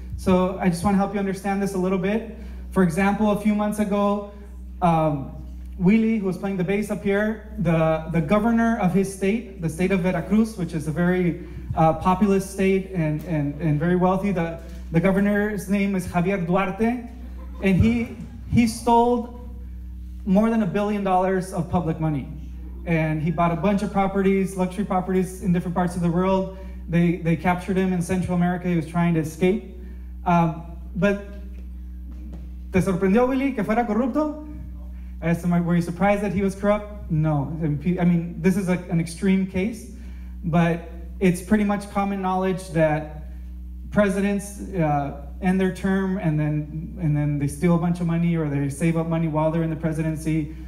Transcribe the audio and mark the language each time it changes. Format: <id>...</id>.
<en>So I just want to help you understand this a little bit. For example, a few months ago, Willie, who was playing the bass up here, the governor of his state, the state of Veracruz, which is a very populous state and very wealthy, the governor's name is Javier Duarte, and he stole more than $1 billion of public money. And he bought a bunch of properties, luxury properties in different parts of the world. They captured him in Central America. He was trying to escape. But,</en> <es>¿te sorprendió, Willy, que fuera corrupto?</es> <en>Were you surprised that he was corrupt? No. I mean, this is an extreme case, but it's pretty much common knowledge that presidents end their term and then they steal a bunch of money or they save up money while they're in the presidency.</en>